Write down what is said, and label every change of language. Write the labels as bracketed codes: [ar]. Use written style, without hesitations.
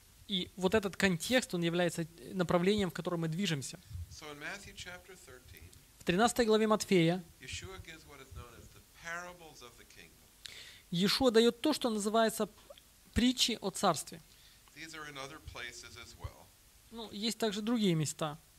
[ru] И вот этот контекст, он является направлением, в котором мы движемся. [en] So in Matthew chapter 13, [ru] в 13 главе Матфея [en] Yeshua gives what is known as the parables of the kingdom. [ru] Иешуа дает то, что называется притчи о царстве. [en] These are in other places as well. [ru] Ну, есть также другие места.